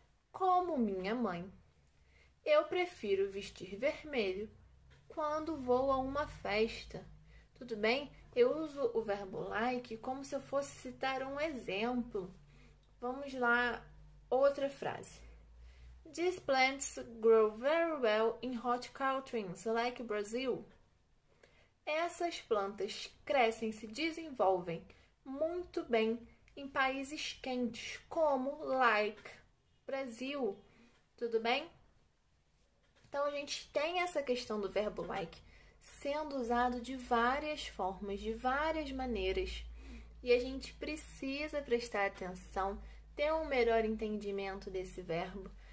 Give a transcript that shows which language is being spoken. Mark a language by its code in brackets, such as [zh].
[pt] Como minha mãe, eu prefiro vestir vermelho quando vou a uma festa. Tudo bem? Eu uso o verbo like como se eu fosse citar um exemplo. Vamos lá, outra frase. [en] These plants grow very well in hot countries like Brazil. [pt] Essas plantas crescem, se desenvolvem muito bem em países quentes, como like Brasil. Tudo bem? Então a gente tem essa questão do verbo like sendo usado de várias formas, de várias maneiras, e a gente precisa prestar atenção, ter um melhor entendimento desse verbo.